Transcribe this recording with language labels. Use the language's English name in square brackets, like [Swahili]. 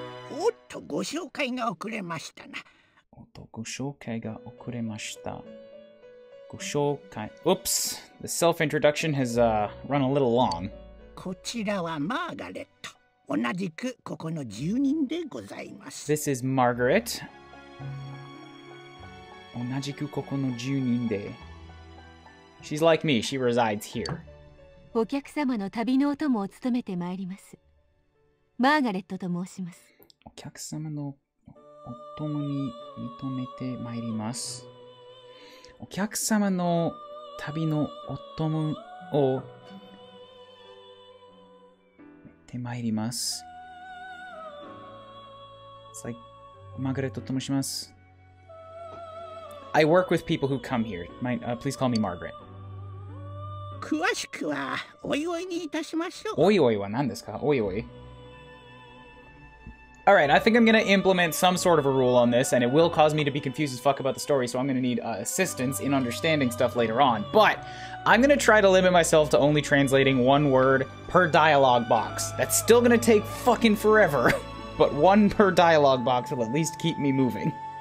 [Japanese] おっと、ご紹介が遅れましたな。おっと、ご紹介が遅れました。ご紹介… Oops! [English] The self-introduction has, run a little long. [Japanese] こちらはマーガレット。同じくここの住人でございます。 [English] This is Margaret. [Japanese] 同じくここの住人で… [English] She's like me. She resides here. [Japanese] お客様の旅のお供を務めてまいります。マーガレットと申します。お客様のお供に認めてまいります。お客様の旅のお供を認めてまいります。はい、マーガレットと申します。 [English] I work with people who come here. Please call me Margaret. [Japanese] 詳しくはおいおいにいたしましょう。おいおいは何ですか？おいおい。 [English] Alright, I think I'm gonna implement some sort of a rule on this, and it will cause me to be confused as fuck about the story, so I'm gonna need assistance in understanding stuff later on. But I'm gonna try to limit myself to only translating one word per dialogue box. That's still gonna take fucking forever, but one per dialogue box will at least keep me moving.